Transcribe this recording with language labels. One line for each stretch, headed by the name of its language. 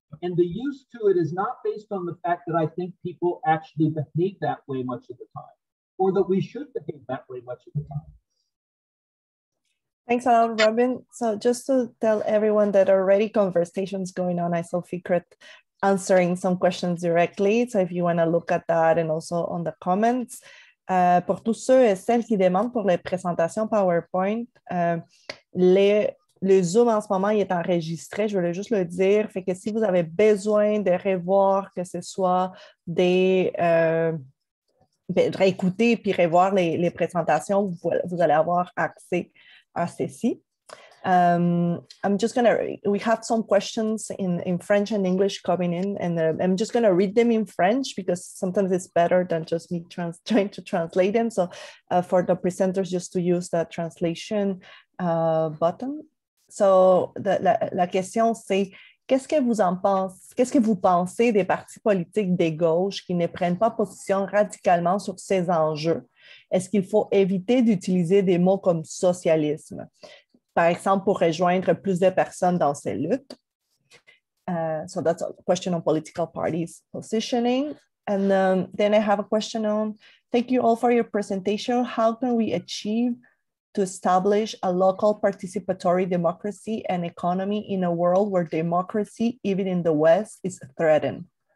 English: And the use to it is not based on the fact that I think people actually behave that way much of the time, or that we should behave that way much of the time. Thanks a lot, Robin. So just to tell everyone that already conversations going on, I saw Fikret answering some questions directly. So if you want to look at that and also on the comments,
French: Pour tous ceux et celles qui demandent pour les présentations PowerPoint, le Zoom en ce moment il est enregistré, je voulais juste le dire. Fait que si vous avez besoin de revoir, que ce soit des réécouter puis revoir les présentations, vous allez avoir accès à ceci.
English: We have some questions in French and English coming in, and I'm just going to read them in French because sometimes it's better than just me trying to translate them. So for the presenters, just to use the translation button.
French: So la question c'est, qu'est-ce que vous pensez des partis politiques de gauche qui ne prennent pas position radicalement sur ces enjeux? Est-ce qu'il faut éviter d'utiliser des mots comme socialisme? Par exemple, pour rejoindre plus de personnes dans ces luttes.
English: So that's a question on political parties positioning. And then I have a question on, thank you all for your presentation. How can we achieve to establish a local participatory democracy and economy in a world where democracy, even in the West, is threatened?